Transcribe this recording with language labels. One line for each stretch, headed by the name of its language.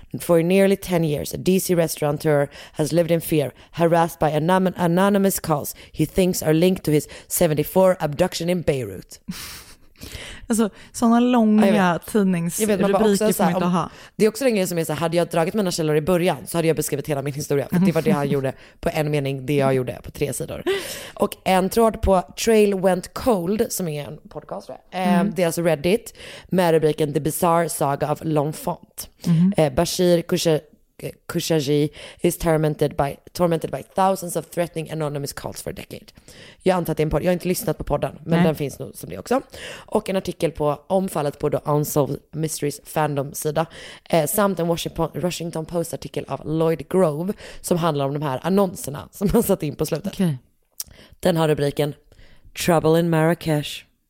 English: For nearly 10 years, a DC restaurateur has lived in fear, harassed by anonymous calls he thinks are linked to his 74 abduction in Beirut.
Swedish: Alltså, sådana långa tidningsrubriker får man inte ha. Det är också den grejen som är så här, hade jag dragit mina källor i början så hade jag beskrivit hela min historia. För det var det han gjorde på en mening, det jag gjorde på tre sidor. Och en tråd på Trail Went Cold, som är en podcast, det är alltså Reddit, med rubriken The Bizarre Saga of L'Enfant.
English: Bashir Khashoggi is tormented by thousands of threatening anonymous calls for a decade.
Swedish: Jag antar att det är en podd. Jag har inte lyssnat på podden, men Nej. Den finns nog som det också. Och en artikel på omfallet på The Unsolved Mysteries fandom-sida. Samt en Washington Post-artikel av Lloyd Grove som handlar om de här annonserna som han satt in på slutet.
English: Okay.
Swedish: Den har rubriken Trouble in Marrakesh.